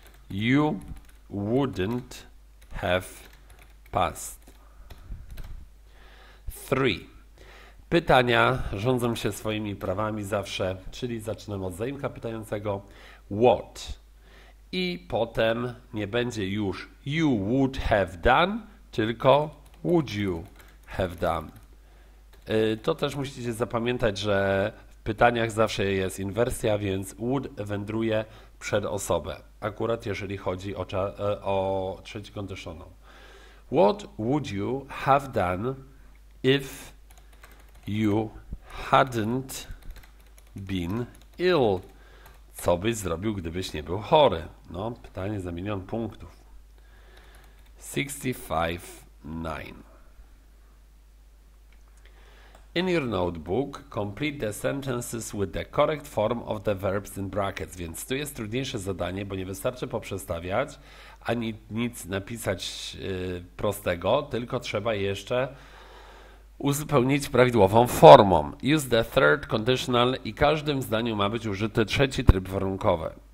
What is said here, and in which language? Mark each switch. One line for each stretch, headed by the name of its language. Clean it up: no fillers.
English: You wouldn't have passed. Three.
Polish: Pytania rządzą się swoimi prawami zawsze, czyli zaczynam od zaimka pytającego what. I potem nie będzie już you would have done, tylko would you have done. To też musicie zapamiętać, że w pytaniach zawsze jest inwersja, więc would wędruje przed osobę. Akurat jeżeli chodzi o trzecią kondycjonalną.
English: What would you have done if you hadn't been ill?
Polish: Co byś zrobił, gdybyś nie był chory? No, pytanie za milion punktów. 65.9.
English: In your notebook, complete the sentences with the correct form of the verbs in brackets.
Polish: Więc tu jest trudniejsze zadanie, bo nie wystarczy poprzestawiać ani nic napisać prostego, tylko trzeba jeszcze uzupełnić prawidłową formą.
English: Use the third conditional
Polish: i każdym zdaniu ma być użyty trzeci tryb warunkowy.